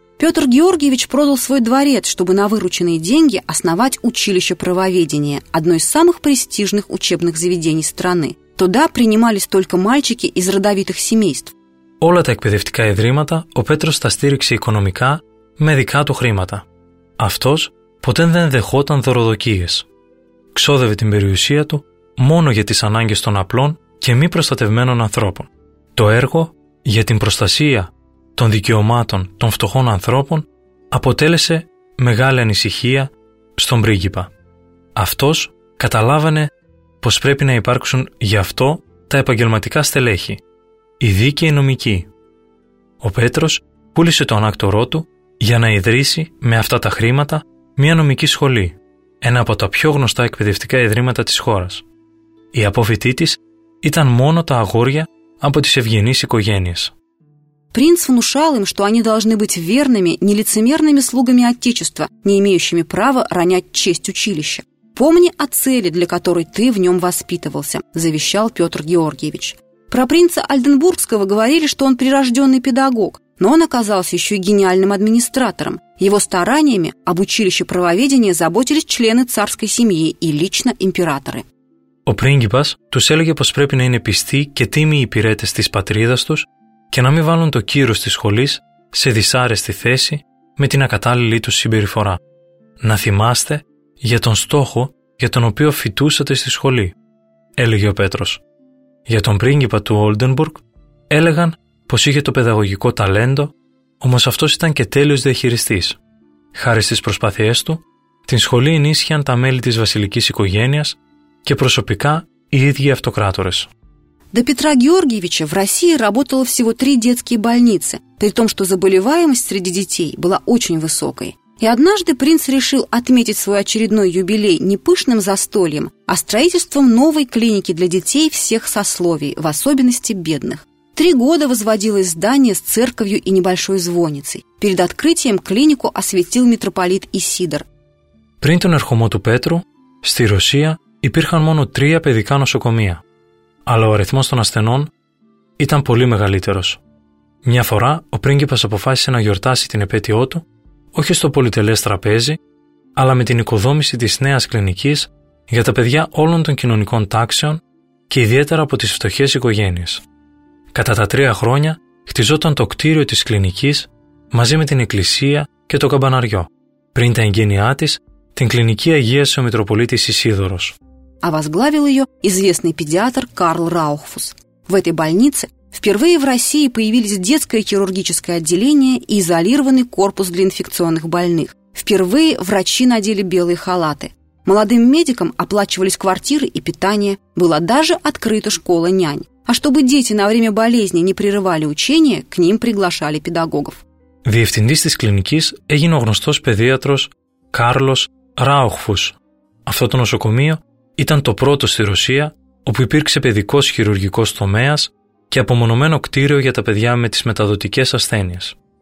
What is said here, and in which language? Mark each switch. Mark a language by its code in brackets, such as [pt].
[ru] Петр Георгиевич продал свой дворец, чтобы на вырученные деньги основать училище правоведения, одно из самых престижных учебных заведений страны. Туда принимались только мальчики из родовитых семейств. [el] Όλα τα εκπαιδευτικά ιδρύματα ο Πέτρος τα στήριξε οικονομικά με δικά του χρήματα. Αυτός ποτέ δεν δεχόταν δωροδοκίες. Ξόδευε την περιουσία του μόνο για τις ανάγκες των απλών και μη προστατευμένων ανθρώπων. Το έργο για την προστασία των δικαιωμάτων των φτωχών ανθρώπων αποτέλεσε μεγάλη ανησυχία στον πρίγκιπα. Αυτός καταλάβαινε πως πρέπει να υπάρξουν γι' αυτό τα επαγγελματικά στελέχη, οι δίκαιοι νομικοί. Ο Πέτρος πούλησε το ανάκτορό του για να ιδρύσει με αυτά τα χρήματα μια νομική σχολή, ένα από τα πιο γνωστά εκπαιδευτικά ιδρύματα της χώρας. Οι απόφοιτοί της ήταν μόνο τα αγόρια από τις ευγενείς οικογένειες. [ru] Принц внушал им, что они должны быть верными, нелицемерными слугами отечества, не имеющими права ронять честь училища. «Помни о цели, для которой ты в нем воспитывался», – завещал Петр Георгиевич. Про принца Альденбургского говорили, что он прирожденный педагог, но он оказался еще и гениальным администратором. Его стараниями об училище правоведения заботились члены царской семьи и лично императоры. [el] Ο πρίγκιπας τους έλεγε πως πρέπει να είναι πιστοί και τίμοι υπηρέτες της πατρίδας τους και να μην βάλουν το κύρος της σχολής σε δυσάρεστη θέση με την ακατάλληλή τους συμπεριφορά. Να θυμάστε για τον στόχο για τον οποίο φοιτούσατε στη σχολή, έλεγε ο Πέτρος. Για τον πρίγκιπα του Oldenburg έλεγαν πως είχε το παιδαγωγικό ταλέντο, όμως αυτός ήταν και τέλειος διαχειριστής. Χάρη στις προσπάθειές του, την σχολή ενίσχυαν τα μέλη της βασιλικής οικογένειας και προσωπικά οι ίδιοι αυτοκράτορες. [ru] До Петра Георгиевича в России работало всего три детские больницы, при том, что заболеваемость среди детей была очень высокой. И однажды принц решил отметить свой очередной юбилей не пышным застольем, а строительством новой клиники для детей всех сословий, в особенности бедных. Три года возводилось здание с церковью и небольшой звонницей. Перед открытием клинику осветил митрополит Исидор. [el] Πριν τον ερχομό του Πέτρου, στη Ρωσία υπήρχαν μόνο 3 παιδικά νοσοκομεία, αλλά ο αριθμός των ασθενών ήταν πολύ μεγαλύτερος. Μια φορά ο πρίγκιπας αποφάσισε να γιορτάσει την επέτειό του όχι στο πολυτελές τραπέζι, αλλά με την οικοδόμηση της νέας κλινικής για τα παιδιά όλων των κοινωνικών τάξεων και ιδιαίτερα από τις φτωχές οικογένειες. Κατά τα 3 χρόνια χτιζόταν το κτίριο της κλινικής μαζί με την εκκλησία και το καμπαναριό. Πριν τα εγγένειά της, την κλινική αγίασε ο Μητροπολίτης Ισίδωρος. [ru] А возглавил ее известный педиатр Карл Раухфус. В этой больнице впервые в России появились детское хирургическое отделение и изолированный корпус для инфекционных больных. Впервые врачи надели белые халаты. Молодым медикам оплачивались квартиры и питание. Была даже открыта школа нянь. А чтобы дети на время болезни не прерывали учения, к ним приглашали педагогов. [el] Διευθυντής της κλινικής έγινε ο γνωστός παιδίατρος Κάρλος Ράουχφους. Αυτό το νοσοκομείο ήταν το πρώτο στη Ρωσία όπου υπήρξε παιδικός χειρουργικός τομέας και απομονωμένο κτίριο για τα παιδιά με τις μεταδοτικές ασθένειες.